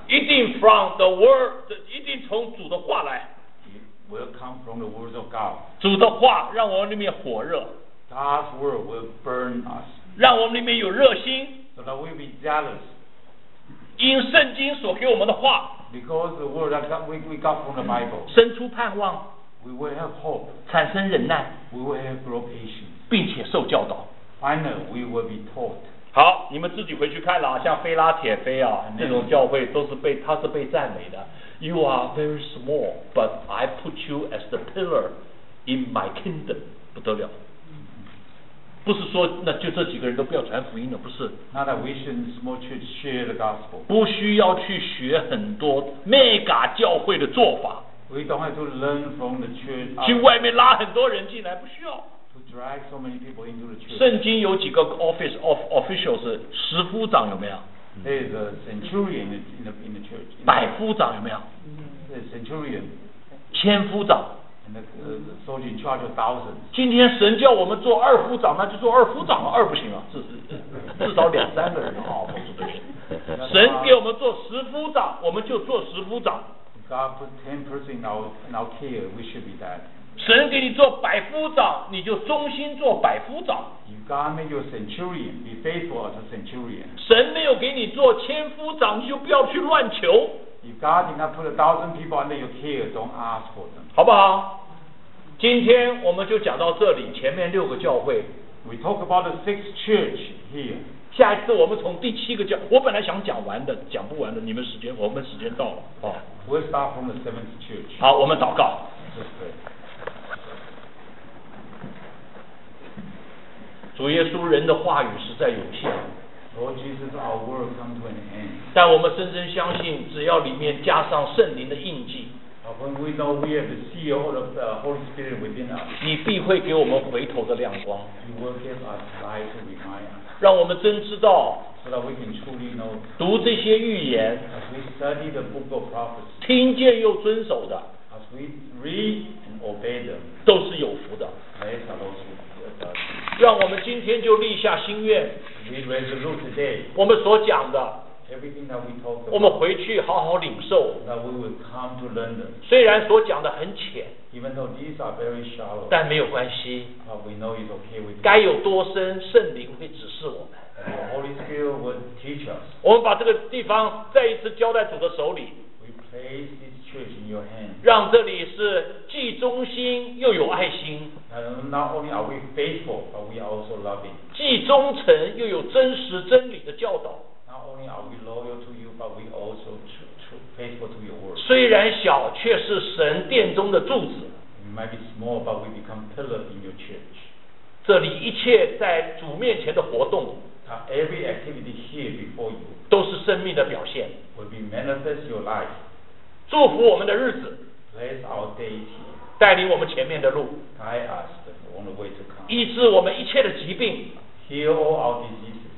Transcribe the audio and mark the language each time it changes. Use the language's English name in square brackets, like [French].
[Chinese] 一定 [English] from the word [Chinese] 一定从主的话来 [English] It will come from the words of God [Chinese] 主的话让我们里面火热 [English] God's word will burn us [Chinese] 让我们里面有热心 [English] So that we'll be jealous [Chinese] 因圣经所给我们的话 [English] Because the word that we got from the Bible [Chinese] 生出盼望 [English] We will have hope. [Chinese] 产生忍耐 [English] We will have grow patience. [Chinese] 并且受教导 [English] Finally, we will be taught. [Chinese] 好，你们自己回去看了，像菲拉铁菲啊，这种教会都是被他是被赞美的。 [English] You are very small, but I put you as the pillar in my kingdom. [Chinese] 不得了。不是说那就这几个人都不要传福音了，不是。 [English] Not that we should small church share the gospel. [Chinese] 不需要去学很多 mega 教会的做法。 [English] We don't have to learn from the church. [Chinese] 去外面拉很多人进来，不需要。 [English] To drag so many people into the church. [Chinese] 圣经有几个 [English] office of officials [Chinese] 是十夫长有没有 [English] ？There's a centurion in the church. [Chinese] 百夫长有没有 [English] ？There's centurion. [Chinese] 千夫长。 [English] And the soldier in charge of thousands. [Chinese] 今天神叫我们做二夫长，那就做二夫长了，二不行啊，至少两三个人啊，不是不行。神给我们做十夫长，我们就做十夫长。 [English] God put 10% in our care, we should be that. [Chinese] 神给你做百夫长，你就忠心做百夫长。 [English] You God made you a centurion, be faithful as a centurion. [Chinese] 神没有给你做千夫长，你就不要去乱求。 [English] You God did not put 1,000 people under your care, don't ask for them. [Chinese] 好不好？今天我们就讲到这里，前面六个教会。 [English] We talk about the sixth church here. [Chinese] 下一次我们从第七个教，我本来想讲完的，讲不完的，你们时间，我们时间到了，好。 [English] We'll start from the seventh church. [Chinese] 好，我们祷告。主耶稣，人的话语实在有限。 [English] Lord Jesus, our word come to an end. [Chinese] 但我们深深相信，只要里面加上圣灵的印记。 [English] When we know we have the seal of the Holy Spirit within us. [Chinese] 你必会给我们回头的亮光。 [English] You will give us light to remind us. [Chinese] 让我们真知道。 [English] So that we can truly know. [Chinese] 读这些预言 [English] As we study the book of prophecy. [Chinese] 听见又遵守的 [English] As we read and obey them. [Chinese] 都是有福的 [English] Those are those who are [Chinese] 让我们今天就立下心愿 [English] We resolve today. [Chinese] 我们所讲的 [English] Everything that we talk about. [Chinese] 我们回去好好领受 [English] That we will come to learn them. [Chinese] 虽然所讲的很浅 [English] Even though these are very shallow, [Chinese] 但没有关系。 [English] We know it's okay with. [Chinese] 该有多深，圣灵会指示我们。 [English] The Holy Spirit would teach us. [Chinese] 我们把这个地方再一次交在主的手里。 [English] We place this church in your hands. [Chinese] 让这里是既忠心又有爱心。 [English] Not only are we faithful, but we are also loving. [Chinese] 既忠诚又有真实真理的教导。 [English] Not only are we loyal to you, but we also faithful to your word. [Chinese] 虽然小，却是神殿中的柱子。 [English] It might be small, but we become pillars in your church. [Chinese] 这里一切在主面前的活动。 [English] Every activity here before you [Chinese] 都是生命的表现。 [English] Will be manifest your life. [Chinese] 祝福我们的日子。 [English] Bless our days here. [Chinese] 带领我们前面的路。 [English] Guide us on the way to come. [Chinese] 医治我们一切的疾病。 [English] Heal all our diseases.